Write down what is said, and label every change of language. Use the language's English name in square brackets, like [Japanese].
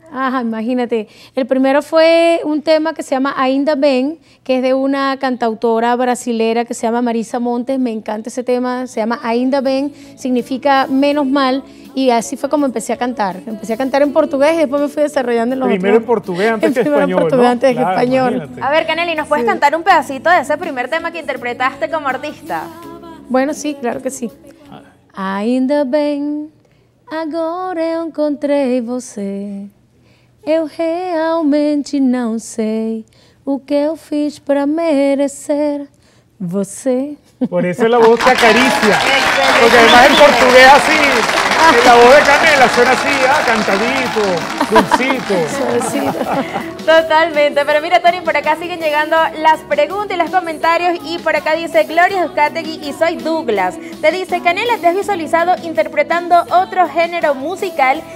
[Spanish] Ajá, imagínate, el primero fue un tema que se llama Ainda Ben, que es de una cantautora brasilera que se llama Marisa Montes, me encanta ese tema, se llama Ainda Ben, significa menos mal. Y así fue como empecé a cantar. Empecé a cantar en portugués y después me fui desarrollando en los primero otros. En portugués antes que primero español, en portugués ¿no? antes claro, que español. Imagínate. A ver, Canela, ¿nos puedes sí. cantar un pedacito de ese primer tema que interpretaste como artista? Bueno, sí, claro que sí. [Portuguese] Ainda bem, agora eu encontrei você. Eu realmente não sei o que eu fiz para merecer você. [Spanish] Por eso la voz te acaricia. Porque además en portugués así... la voz de Canela suena así, ¿eh? Cantadito, dulcito. Totalmente. Pero mira, Tony, por acá siguen llegando las preguntas y los comentarios. Y por acá dice Gloria Euskategui y soy Douglas. Te dice, Canela, ¿te has visualizado interpretando otro género musical?